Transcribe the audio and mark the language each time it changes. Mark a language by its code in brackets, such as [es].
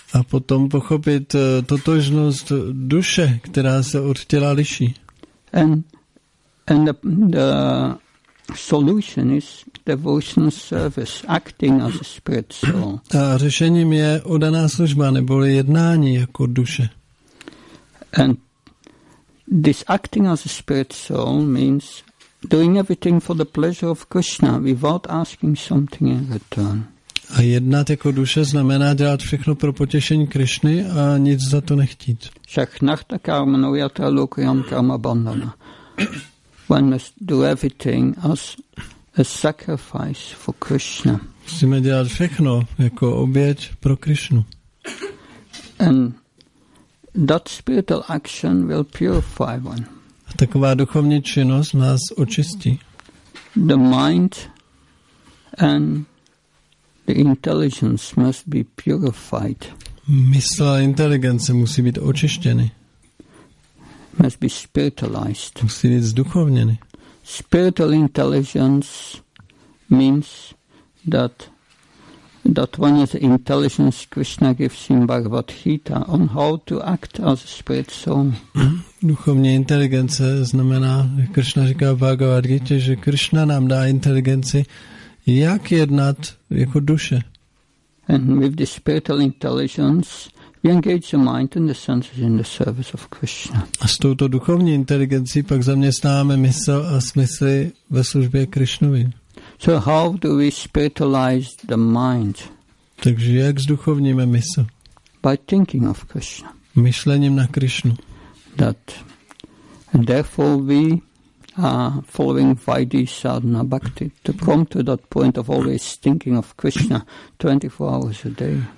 [cs] A potom pochopit totožnost duše, která se od těla liší. [en] And the solution is devotional service, acting as a spirit soul. [cs] A řešením je oddaná služba, neboli jednání jako duše. [en] And this acting as a spirit soul means doing everything for the pleasure of Krishna without asking something in return. [cs] A jednat jako duše znamená dělat všechno pro potěšení Krishny a nic za to nechtít. [sa] Shaknahta karma nuyata lokyam karma bandhana. [en] One must do everything as a sacrifice for Krishna. [cs] Musíme dělat všechno jako oběť pro Krishnu. [en] And that spiritual action will purify one. [cs] A taková duchovní činnost nás očistí. [en] The mind and the intelligence must be purified. [cs] Mysl a inteligence musí být očištěny. [en] Must be spiritualized. [cs] Musí být zduchovněny. [en] Spiritual intelligence means that one is the intelligence Krishna gives in Bhagavad Gita on how to act as a spirit soul. [cs] Duchovní inteligence znamená, jak Krishna říká v Bhagavad Gita, že Krishna nám dá inteligenci, jak jednat jako duše. [en] And with the spiritual intelligence, we engage the mind and the senses in the service of Krishna. [cs] A s touto duchovní inteligencí pak zaměstnáme mysl a smysly ve službě Krishnovi. [en] So how do we spiritualize the mind? [cs] Takže jak zduchovníme mysl? [en] By thinking of Krishna. [cs] Myšlením na Krishnu. [en] That therefore we are following Vaidhi Sadhana Bhakti to come to that point of always thinking of Krishna 24 hours a day.